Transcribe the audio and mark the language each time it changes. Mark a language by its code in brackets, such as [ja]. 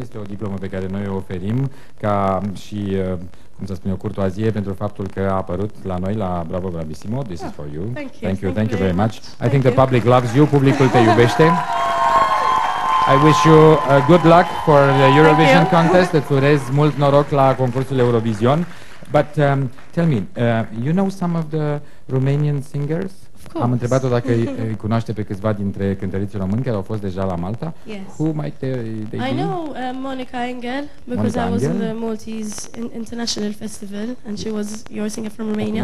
[ro] Este o diplomă pe care noi o oferim ca și, cum să spun eu, curtoazie pentru faptul că a apărut la noi la Bravo Bravissimo. [en] This is for you. Thank you very much. I think the public loves you. [ro] Publicul te iubește. [en] I wish you good luck for the Eurovision contest. [ro] Îți urez mult noroc la concursul Eurovision. [en] But tell me, you know some of the Romanian singers? Of course. [ro] Am întrebat-o dacă îi cunoaște pe câțiva dintre cântăriții români care au fost deja la Malta. [en] Yes. Who might they be? I know Monica Engel, because Monica I was in the Maltese International Festival, and she was your singer from Romania.